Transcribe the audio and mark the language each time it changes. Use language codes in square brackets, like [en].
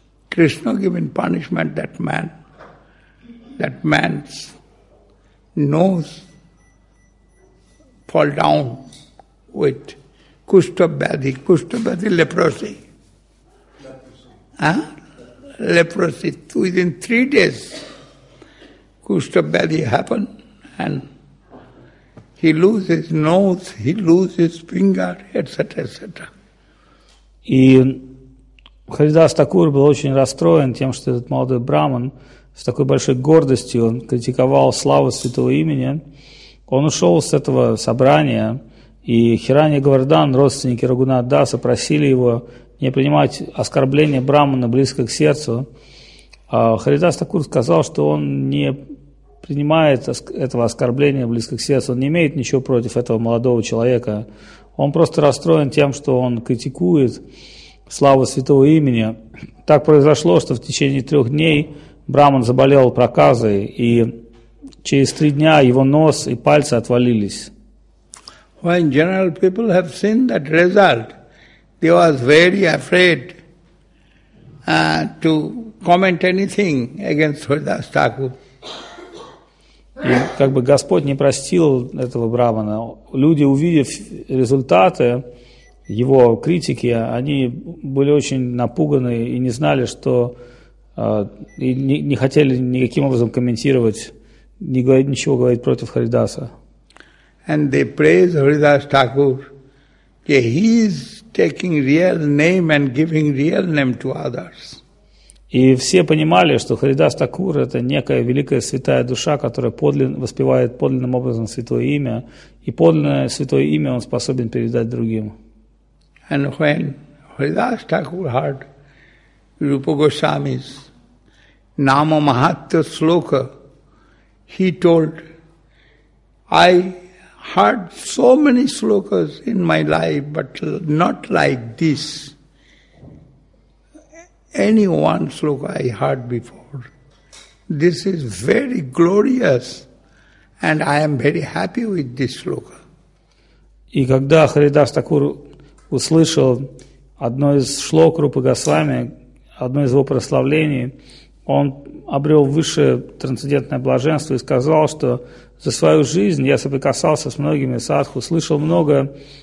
[en] Krishna given punishment that man. That man's nose fall down with Kushtabhyadhi, leprosy. Leprosy. Leprosy. Within 3 days, Kushtabhyadhi happened, and he loses his nose, he loses his finger, etc., etc. [ru] И Харидас Такур был очень расстроен тем, что этот молодой браман с такой большой гордостью он критиковал славу святого имени. Он ушел с этого собрания, и Хирани Гвардан, родственники Рагунат Даса, просили его не принимать оскорбление брамана близко к сердцу. А Харидас Такур сказал, что он не принимает этого оскорбления близко к сердцу, он не имеет ничего против этого молодого человека. Он просто расстроен тем, что он критикует славу святого имени. Так произошло, что в течение 3 дней браман заболел проказой, и через 3 дня его нос и пальцы отвалились. [en] When general people have seen that result, they was very afraid to comment anything against Haridas Thakur. [ru] И как бы Господь не простил этого брамана. Люди, увидев результаты его критики, они были очень напуганы и не знали, что и не хотели никаким образом комментировать, ничего говорить против Харидаса. [en] And they praise Haridas Thakur. Yeah, he is taking real name and giving real name to others. [ru] И все понимали, что Харидас Такур – это некая великая святая душа, которая воспевает подлинным образом святое имя, и подлинное святое имя он способен передать другим. [en] And when Haridas Thakur heard Rupa Goswami's Nama Mahatya Sloka, he told, I heard so many slokas in my life, but not like this. Any one sloka I heard before. This is very glorious, and I am very happy with this sloka. [ru] И когда Харидас Такур услышал одно из шлок Рупы Госвами, одно из его прославлений, он обрел высшее трансцендентное блаженство и сказал, что за свою жизнь я соприкасался с многими садху, слышал много